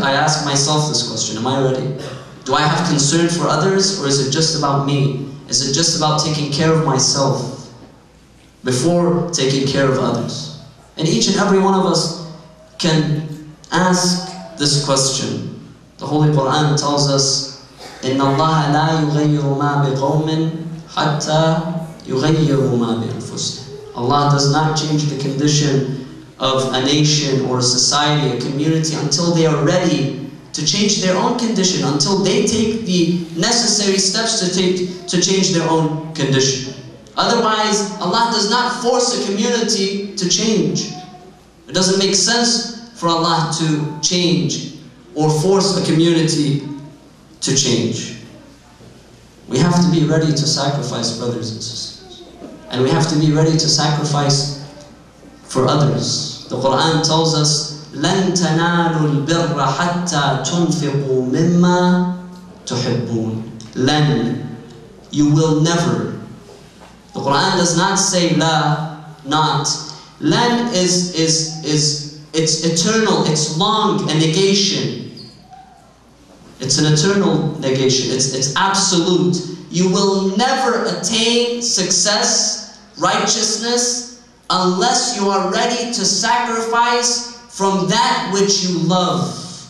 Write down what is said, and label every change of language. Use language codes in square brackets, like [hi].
[en] I ask myself this question. Am I ready? Do I have concern for others, or is it just about me? Is it just about taking care of myself before taking care of others? And each and every one of us can ask this question. The Holy Quran tells us, [ar] إِنَّ اللَّهَ لَا يُغَيِّرُ مَا بِقَوْمٍ حَتَّى يُغَيِّرُ مَا بِأَنفُسِهِ. [en] Allah does not change the condition of a nation or a society, a community, until they are ready to change their own condition, until they take the necessary steps to change their own condition. Otherwise, Allah does not force a community to change. It doesn't make sense for Allah to change or force a community to change. We have to be ready to sacrifice, brothers and sisters. And we have to be ready to sacrifice for others. The Quran tells us, [ar] لَن تَنَالُوا الْبِرَّ حَتَّى تُنْفِقُوا مِمَّا تُحِبُّونَ. [en] لَن, you will never. The Quran does not say لا, not. لَن is it's eternal, it's long, a negation. It's an eternal negation, it's absolute. You will never attain success, righteousness, unless you are ready to sacrifice from that which you love.